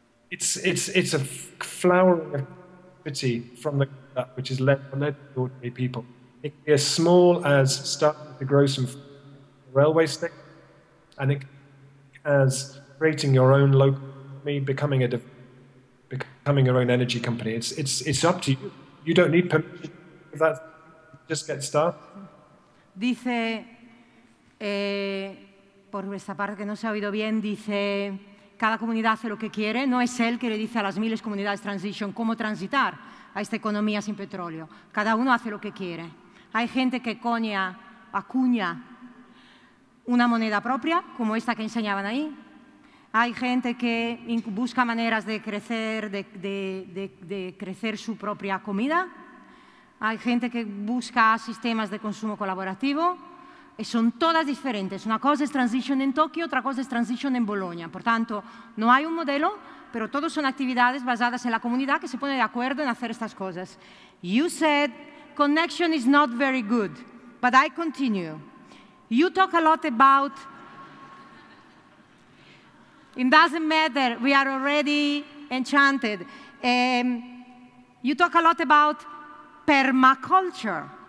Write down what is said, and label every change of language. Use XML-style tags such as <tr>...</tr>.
<en>It's a flowering activity from the ground up, which is led by ordinary people. It can be as small as starting to grow some railway stick, and it as creating your own local company, becoming your own energy company. It's up to you. You don't need permission for that. Just get started.</en> <es>Dice, por esta parte que no se ha oído bien, dice, cada comunidad hace lo que quiere. No es él que le dice a las miles comunidades transition cómo transitar a esta economía sin petróleo. Cada uno hace lo que quiere. Hay gente que acuña una moneda propia, como esta que enseñaban ahí. Hay gente que busca maneras de crecer, de crecer su propia comida. Hay gente que busca sistemas de consumo colaborativo. Son todas diferentes. Una cosa es transition en Tokio, otra cosa es transition en Bolonia. Por tanto, no hay un modelo, pero todos son actividades basadas en la comunidad que se pone de acuerdo en hacer estas cosas.</es> <en>You said connection is not very good, but I continue. You talk a lot about, it doesn't matter, we are already enchanted. You talk a lot about permaculture.</en>